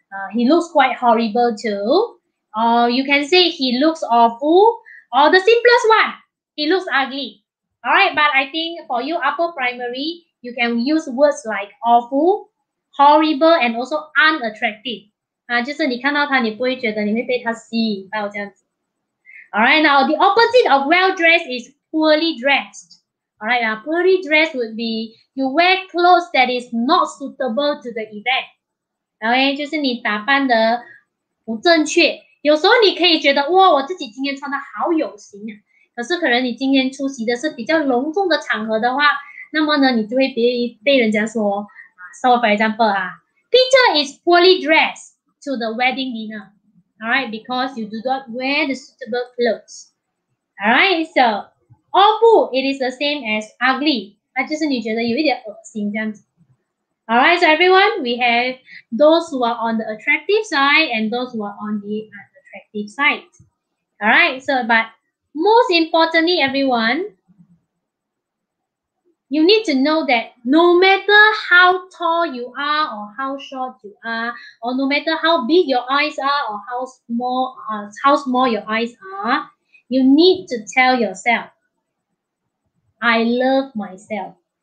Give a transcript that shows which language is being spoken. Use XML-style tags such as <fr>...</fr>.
<en>He looks quite horrible too. Or you can say he looks awful. Or the simplest one, he looks ugly. All right, but I think for you upper primary, you can use words like awful, horrible, and also unattractive.</en> <zh>就是你看到他,你不会觉得你会被他吸引到这样子.</zh> <en>All right, now the opposite of well-dressed is poorly dressed. All right, poorly dressed would be you wear clothes that is not suitable to the event.</en> <zh>Okay, 就是你打扮得不正确. 有时候你可以觉得,哇,我自己今天穿得好有型啊. 可是可能你今天出席的是比较隆重的场合的话, 那么呢,你就会被人家说,</zh> <en>so for example, Peter is poorly dressed, to the wedding dinner. All right, because you do not wear the suitable clothes. All right, so 傲布, it is the same as ugly.</en> <zh>那就是你觉得有一点恶心这样子。</zh> <en>All right, so everyone, we have those who are on the attractive side and those who are on the unattractive side. All right, so but most importantly, everyone, you need to know that no matter how tall you are or how short you are, or no matter how big your eyes are or how small your eyes are, you need to tell yourself, I love myself.</en>